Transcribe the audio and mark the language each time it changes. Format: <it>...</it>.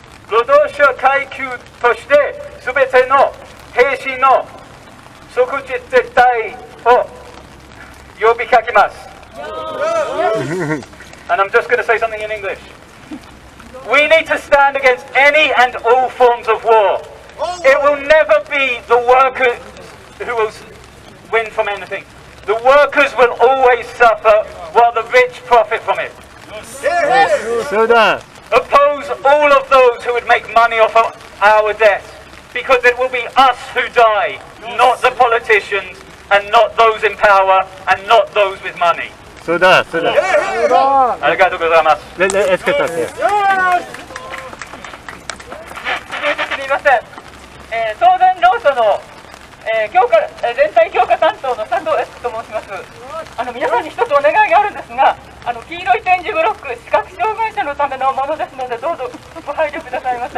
<ja>労働者階級としてすべての兵士の即時撤退を呼びかけます。</ja> <en>And I'm just going to say something in English. We need to stand against any and all forms of war. It will never be the workers who will win from anything. The workers will always suffer while the rich profit from it. Oppose all of those who would make money off of our death, because it will be us who die, not the politicians and not those in power and not those with money.</en> <ja>そうだ、そうだ。ありがとうございます。全然エスケートですよ。すみません。当然労組の、強化、全体強化担当の佐藤エスと申します。皆さんに一つお願いがあるんですが、黄色い点字ブロック、視覚障害者のためのものですので、どうぞご配慮くださいませ。</ja>